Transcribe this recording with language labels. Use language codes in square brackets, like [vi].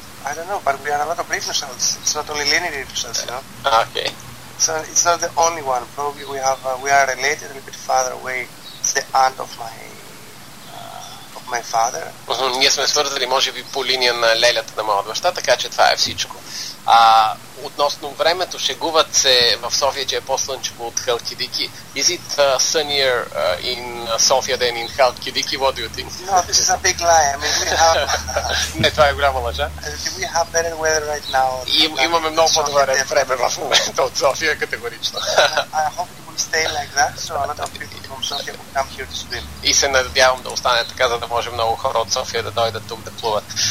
[en] I don't know, but we are a lot of Rifenstals. It's not only Leni Rifenstals, you know? Okay. So it's not the only one. Probably we are related a little bit farther away. It's the aunt of my... My father. [bg] Ние сме свързали, може би, по линия на лелята на моя баща, така че това е всичко. Относно времето, шегуват се в София, че е по-слънчево от Халкидики. [en] Is it sunnier in Sofia than in Халкидики? What do you think? No, this is a big lie. I mean, we have... [bg] Не, това е голяма лъжа. [en] We have better weather right now. [bg] Имаме много по-добре време в момента от София, категорично. [en] I hope it will stay like that, so a lot of people from Sofia will come here to swim. [bg] И се надявам да остане така, за да може много хора от София да дойдат тук да плуват.